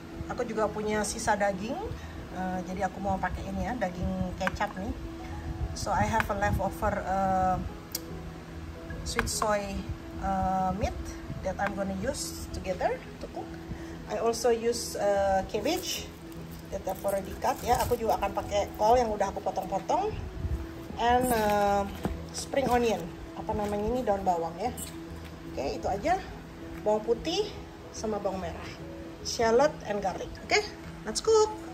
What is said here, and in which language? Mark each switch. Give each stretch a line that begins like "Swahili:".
Indonesian: Aku juga punya sisa daging. Jadi aku mau pakai ini ya, daging kecap nih.
English: So I have a leftover sweet soy meat that I'm gonna use together to cook. I also use cabbage that I've already cut ya.
Indonesian: Aku juga akan pakai kol yang udah aku potong-potong
English: and spring onion,
Indonesian: apa namanya ini, daun bawang ya. Oke, itu aja, bawang putih sama bawang merah,
English: shallot and garlic. Oke, let's cook.